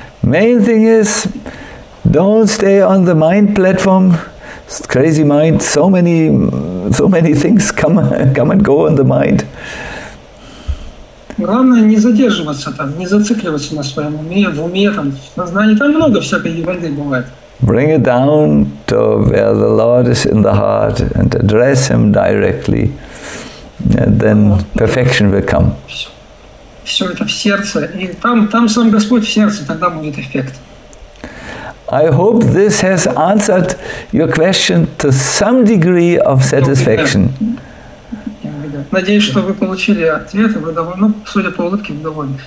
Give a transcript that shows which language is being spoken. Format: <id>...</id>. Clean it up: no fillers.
<en>Main thing is, don't stay on the mind platform. Crazy mind, so many things come and go in the mind.</en> <ru>Главное не задерживаться там, не зацикливаться на своем уме, в уме там, в сознании, там много всякой ерунды бывает.</ru> <en>Bring it down to where the Lord is in the heart and address Him directly, and then perfection will come.</en> <ru>Все это в сердце, и там сам Господь в сердце, тогда будет эффект.</ru> <en>I hope this has answered your question to some degree of satisfaction.</en> <ru>Надеюсь, что вы получили ответ, и вы довольны, ну, судя по улыбке, вы довольны.</ru>